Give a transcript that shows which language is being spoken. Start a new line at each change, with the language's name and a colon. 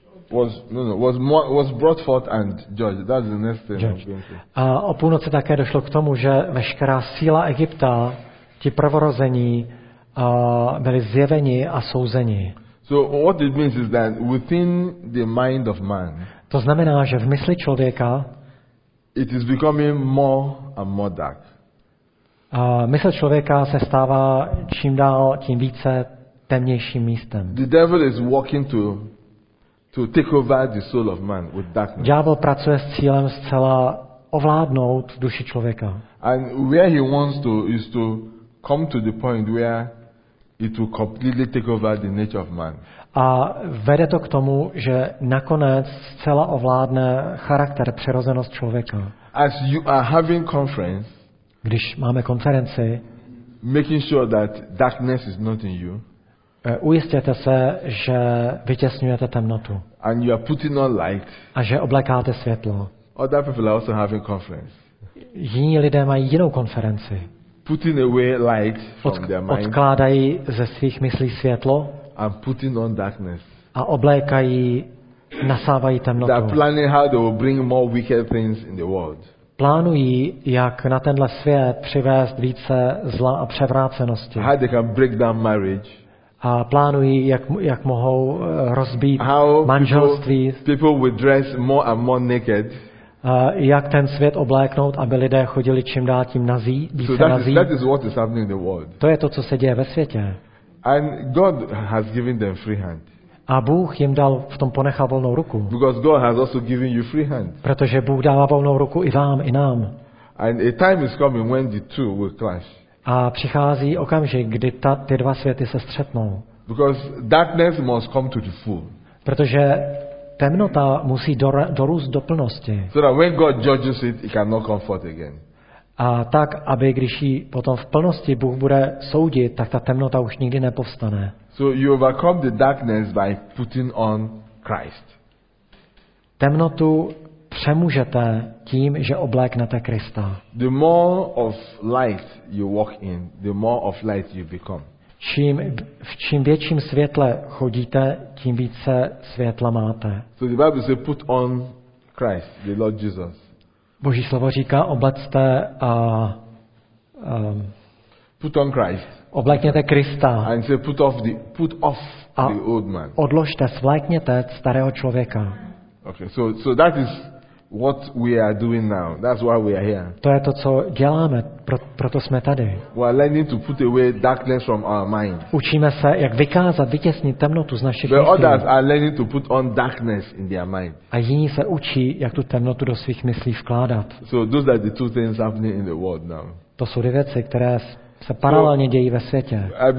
English: Was brought forth and judged. That's the next thing.
Czech: A o půlnoci také došlo k tomu, že veškerá síla Egypta, ti prvorození, byli zjeveni a souzeni.
English: So what it means is that within the mind of man.
Czech: To znamená, že v mysli člověka
English: it is becoming more and more dark.
Czech: A mysl člověka se stává čím dál tím více temnějším místem.
English: The devil is working to take over the soul of man with darkness.
Czech: Ďábel pracuje s cílem zcela ovládnout duši člověka.
English: And where he wants to is to come to the point where it will completely take over the nature of man.
Czech: A vede to k tomu, že nakonec zcela ovládne charakter, přirozenost člověka.
English: As you are having conference,
Czech: když máme konferenci,
English: making sure that darkness is not in you,
Czech: Ujistěte se, že vytěsňujete temnotu.
English: And you are putting on light.
Czech: A že oblékáte světlo.
English: Other people are also having conference.
Czech: Jiní lidé mají jinou konferenci.
English: Putting away light from their mind.
Czech: Odkládají ze svých myslí světlo.
English: And putting on darkness.
Czech: A oblékají, nasávají temnotu.
English: They are planning how they will bring more wicked things in the world.
Czech: Plánují, jak na tenhle svět přivést více zla a převrácenosti.
English: How they can break down marriage.
Czech: A plánují, jak mohou rozbít
English: how
Czech: manželství.
English: People will dress more and more naked.
Czech: Jak ten svět obléknout, aby lidé chodili čím dál tím nazí, více so nazí. To je to, co se děje ve světě.
English: And God has given them free hand.
Czech: A Bůh jim dal v tom ponechal volnou ruku.
English: Because God has also given you free hand.
Czech: Protože Bůh dává volnou ruku i vám, i nám.
English: And a time is coming when the two will clash.
Czech: A přichází okamžik, kdy ty dva světy se střetnou.
English: Because darkness must come to the full.
Czech: Protože temnota musí dorůst do plnosti.
English: So that when God judges it, it cannot come forth again.
Czech: A tak, aby když ji potom v plnosti Bůh bude soudit, tak ta temnota už nikdy nepovstane.
English: So you overcome the darkness by putting on Christ.
Czech: Temnotu přemůžete tím, že obléknete Krista.
English: The more of light you walk in, the more of light you become.
Czech: Čím větším světle chodíte, tím více světla máte.
English: So the Bible says put on Christ, the Lord Jesus.
Czech: Boží slovo říká obleckte a
English: put on Christ.
Czech: Oblékněte Krista.
English: And say put off a the old man.
Czech: Odložte, svléknete starého člověka.
English: Okay, so that is what we are doing now. That's why we are here.
Czech: To je to, co děláme, proto jsme tady.
English: We are learning to put away darkness from our mind.
Czech: Učíme se, jak vykázat, vytěsnit temnotu z našich myslí.
English: But others are learning to put on darkness in their mind.
Czech: A jiní se učí, jak tu temnotu do svých myslí vkládat.
English: So those are the two things happening in the world now.
Czech: To jsou dvě věci, které se paralelně dějí ve světě.